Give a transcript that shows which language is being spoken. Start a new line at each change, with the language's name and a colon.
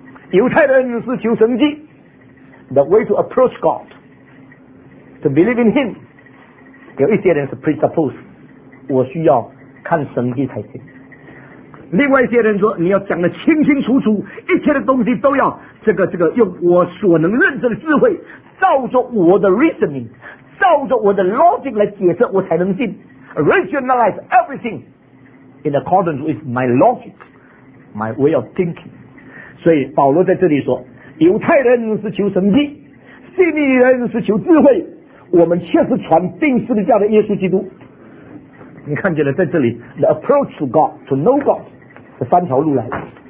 Chinese: 犹太人是求神迹，
English: the way to approach God to believe in him，
Chinese: 有一些人是 presuppose 我需要看神迹才行，另外一些人说你要讲得清清楚楚，一切的东西都要用我所能认知的智慧，照着我的 reasoning， 照着我的 logic 来解释，我才能信。
English: Rationalize everything in accordance with my logic， my way of thinking。
Chinese: 所以保罗在这里说，犹太人是求神迹，希利人是求智慧，我们却是传定十字架的耶稣基督。你看见了，在这里
English: the approach to God to know God
Chinese: 是三条路来的。